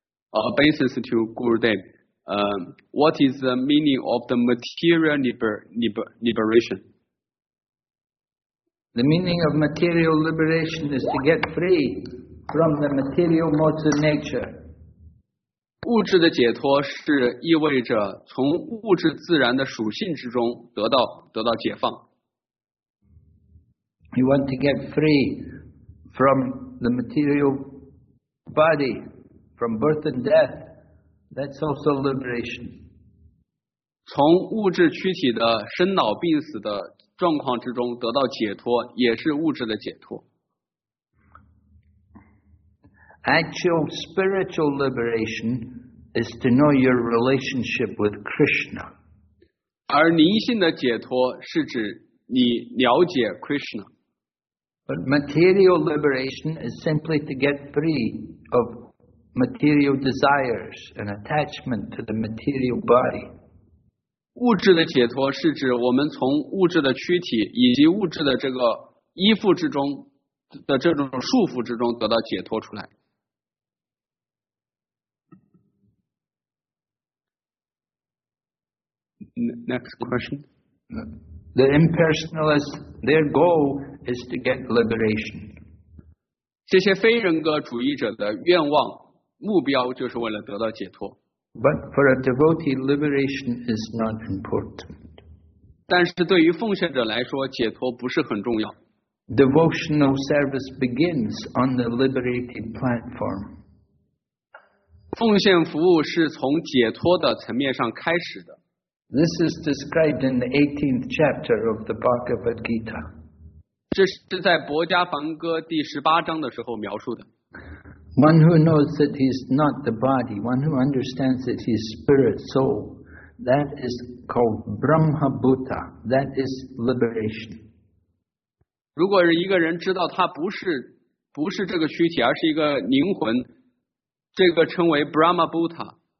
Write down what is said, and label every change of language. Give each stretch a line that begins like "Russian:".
English: Basis to Guru Dev， what is the meaning of the material liberation? The meaning of material liberation is to get free. From the material modes of nature.
Chinese: 物质的解脱是意味着从物质自然的属性之中得到解放。
English: You want to get free from the material body, from birth and death. That's also liberation.
Chinese: 从物质躯体的生老病死的状况之中得到解脱，也是物质的解脱。
English: Actual spiritual liberation is to know your relationship with Krishna.
Chinese: 而灵性的解脱是指你了解 Krishna.
English: But material liberation is simply to get free of material desires and attachment to the material body.
Chinese: 物质的解脱是指我们从物质的躯体以及物质的这个依附之中的这种束缚之中得到解脱出来。
English: Next question. The impersonalists, their goal is to get liberation.
Chinese: 这些非人格主义者的愿望目标就是为了得到解脱。
English: But for a devotee, liberation is not important.
Chinese: 但是对于奉献者来说，解脱不是很重要。
English: Devotional service begins on the liberated platform.
Chinese: 奉献服务是从解脱的层面上开始的。
English: This is described in the 18th chapter of the Bhagavad Gita.
Chinese: 这是在《博迦梵歌》第十八章的时候描述的。
English: One who knows that he is not the body, one who understands that he is spirit soul, that is called Brahma Bhuta. That is liberation.
Chinese: 如果一个人知道他不是这个躯体，而是一个灵魂，这个称为 Brahma Bhuta。